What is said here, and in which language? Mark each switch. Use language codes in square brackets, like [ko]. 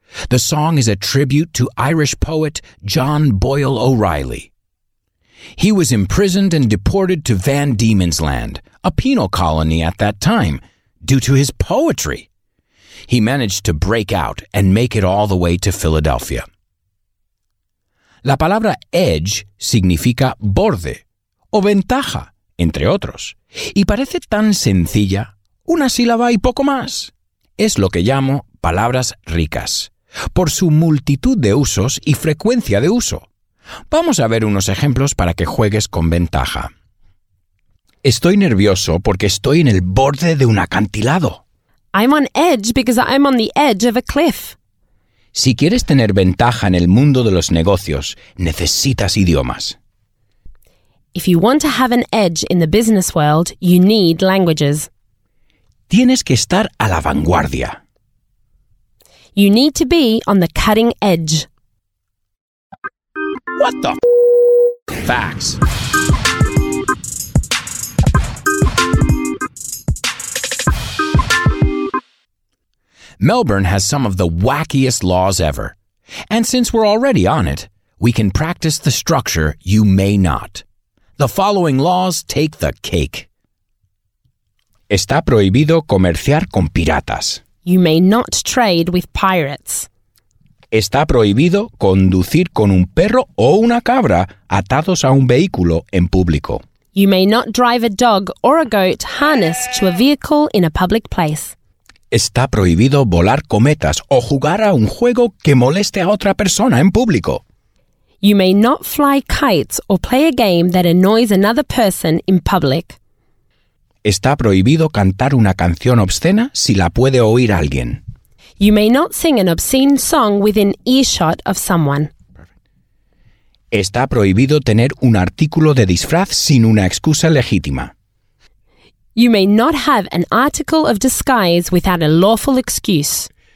[en] The song is a tribute to Irish poet John Boyle O'Reilly. He was imprisoned and deported to Van Diemen's Land, a penal colony at that time, due to his poetry. He managed to break out and make it all the way to Philadelphia. [es] La palabra edge significa borde o ventaja, entre otros. Y parece tan sencilla, una sílaba y poco más. Es lo que llamo palabras ricas, por su multitud de usos y frecuencia de uso. Vamos a ver unos ejemplos para que juegues con ventaja. Estoy nervioso porque estoy en el borde de un acantilado. [en] I'm on edge because I'm on the edge of a cliff. [es] Si quieres tener ventaja en el mundo de los negocios, necesitas idiomas. [en] If you want to have an edge in the business world, you need languages. [es] Tienes que estar a la vanguardia. [en] You need to be on the cutting edge. What the f***? Facts. Melbourne has some of the wackiest laws ever. And since we're already on it, we can practice the structure you may not. The following laws take the cake. [es] Está prohibido comerciar con piratas. [en] You may not trade with pirates. [es] Está prohibido conducir con un perro o una cabra atados a un vehículo en público. [en] You may not drive a dog or a goat harnessed to a vehicle in a public place. [es] Está prohibido volar cometas o jugar a un juego que moleste a otra persona en público. [en] You may not fly kites or play a game that annoys another person in public. [es] Está prohibido cantar una canción obscena si la puede oír alguien. [en] You may not sing an obscene song within earshot of someone. [es] Está prohibido tener un artículo de disfraz sin una excusa legítima. [en] You may not have an article of disguise without a lawful excuse.